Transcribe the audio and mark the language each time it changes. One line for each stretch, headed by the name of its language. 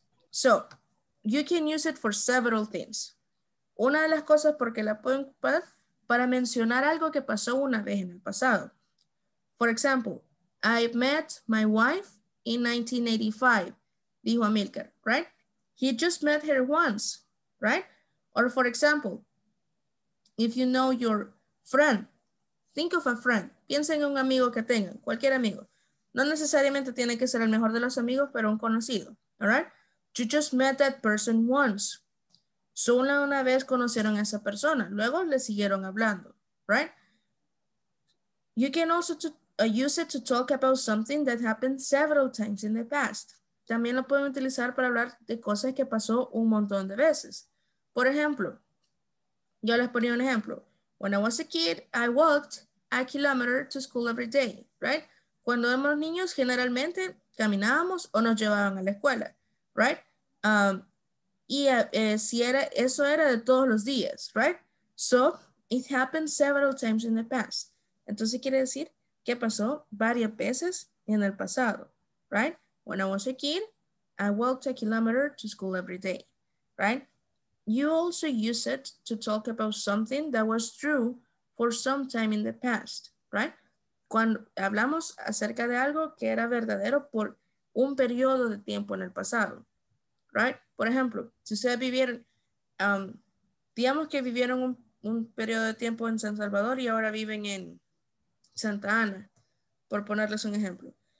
English: So, you can use it for several things.
Spanish: Una de las cosas porque la pueden ocupar para mencionar algo que pasó una vez en el pasado.
English: For example, I met my wife in 1985,
Spanish: dijo Amilcar,
English: right? He just met her once, right? Or for example, if you know your friend, think of a friend.
Spanish: Piensa en un amigo que tengan, cualquier amigo. No necesariamente tiene que ser el mejor de los amigos, pero un conocido.
English: All right? You just met that person once.
Spanish: Solo una vez conocieron a esa persona. Luego le siguieron hablando. Right?
English: You can also use it to talk about something that happened several times in the past.
Spanish: También lo pueden utilizar para hablar de cosas que pasó un montón de veces. Por ejemplo, yo les ponía un ejemplo.
English: When I was a kid, I walked a kilometer to school every day. Right?
Spanish: Cuando éramos niños, generalmente caminábamos o nos llevaban a la escuela, right? Eso era de todos los días, right?
English: So, it happened several times in the past.
Spanish: Entonces quiere decir que pasó varias veces en el pasado, right?
English: When I was a kid, I walked a kilometer to school every day, right? You also use it to talk about something that was true for some time in the past, right?
Spanish: Cuando hablamos acerca de algo que era verdadero por un periodo de tiempo en el pasado, right? Por ejemplo, si ustedes vivieron, digamos que vivieron un periodo de tiempo en San Salvador y ahora viven en Santa Ana, por ponerles un ejemplo.